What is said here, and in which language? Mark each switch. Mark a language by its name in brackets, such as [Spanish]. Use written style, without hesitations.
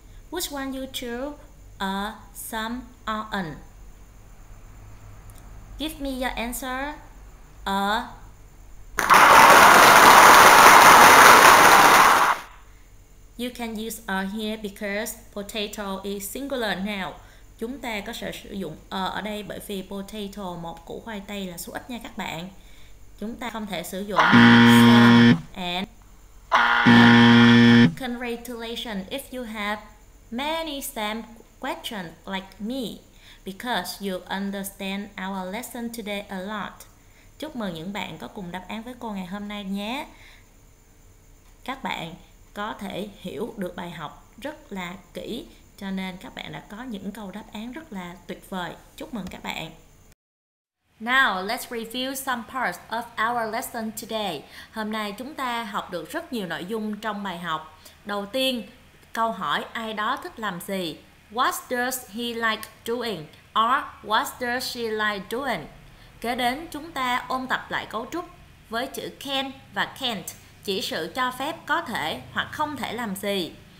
[English] Which one you choose, a, some, or an? Give me your answer. You can use a here because potato is singular noun. [Vietnamese] Chúng ta có thể sử dụng a ở đây bởi vì potato, một củ khoai tây là số ít nha các bạn. Chúng ta không thể sử dụng some and [English] congratulations if you have many same questions like me, because you understand our lesson today a lot. [Vietnamese] Chúc mừng những bạn có cùng đáp án với cô ngày hôm nay nhé. Các bạn có thể hiểu được bài học rất là kỹ, cho nên các bạn đã có những câu đáp án rất là tuyệt vời. Chúc mừng các bạn. [English] Now, let's review some parts of our lesson today. [Vietnamese] Hôm nay chúng ta học được rất nhiều nội dung trong bài học. Đầu tiên, câu hỏi ai đó thích làm gì? [English] What does he like doing? Or what does she like doing? [Vietnamese] Kế đến, chúng ta ôn tập lại cấu trúc với chữ can và can't, chỉ sự cho phép có thể hoặc không thể làm gì.